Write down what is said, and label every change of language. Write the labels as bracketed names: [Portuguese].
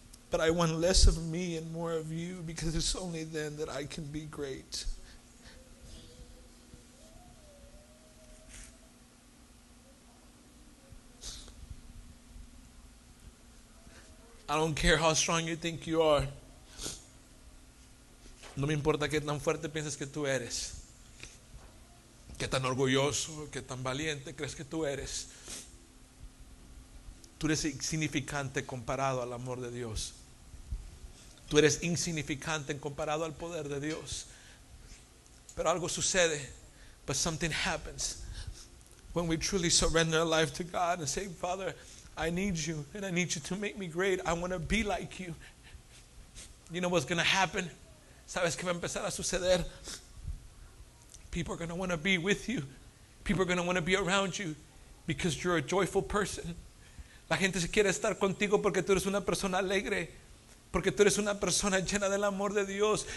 [English] But I want less of me and more of you, because it's only then that I can be great. I don't care how strong you think you are. [Spanish] No me importa qué tan fuerte piensas que tú eres. Qué tan orgulloso, qué tan valiente crees que tú eres. Tú eres insignificante comparado al amor de Dios. Tú eres insignificante comparado al poder de Dios. Pero algo sucede. [English] But something happens when we truly surrender our life to God and say, Father, I need you, and I need you to make me great. I want to be like you. You know what's going to happen? [Spanish] ¿Sabes qué va a empezar a suceder? [English] People are going to want to be with you. People are going to want to be around you because you're a joyful person. [Spanish] La gente se quiere estar contigo porque tú eres una persona alegre. Porque tú eres una persona llena del amor de Dios.